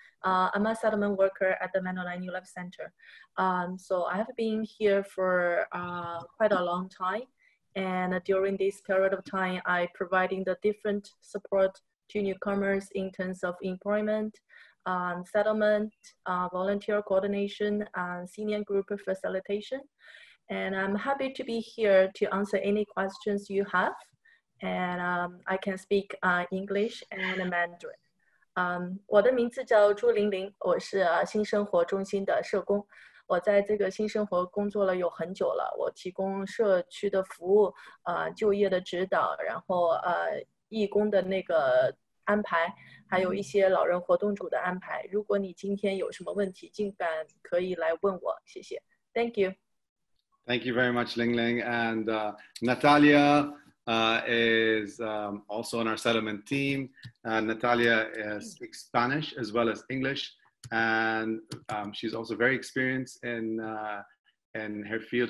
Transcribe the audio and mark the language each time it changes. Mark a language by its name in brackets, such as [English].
[English] I'm a settlement worker at the Manulife New Life Center. So I have been here for quite a long time, and during this period of time, I providing the different support to newcomers in terms of employment, settlement, volunteer coordination, and senior group facilitation. And I'm happy to be here to answer any questions you have. And I can speak English and Mandarin. [Chinese] 我的名字叫朱玲玲，我是新生活中心的社工。我在这个新生活工作了有很久了，我提供社区的服务，就业的指导，然后义工的那个安排，还有一些老人活动组的安排。如果你今天有什么问题，尽管可以来问我。谢谢。 [English] Thank you. Thank you very much, Ling Ling. And Natalia is also on our settlement team. Natalia speaks Spanish as well as English, and she's also very experienced in her field.